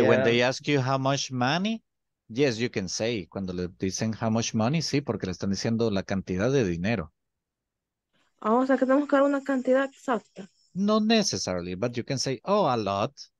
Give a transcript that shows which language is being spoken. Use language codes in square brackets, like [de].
[en] Yeah, when they ask you how much money, yes, you can say. [es] Cuando le dicen [en] how much money, [es] sí, porque le están diciendo la cantidad de dinero. Oh, o sea, que tenemos que dar una cantidad exacta. [en] No necessarily, but you can say, oh, a lot.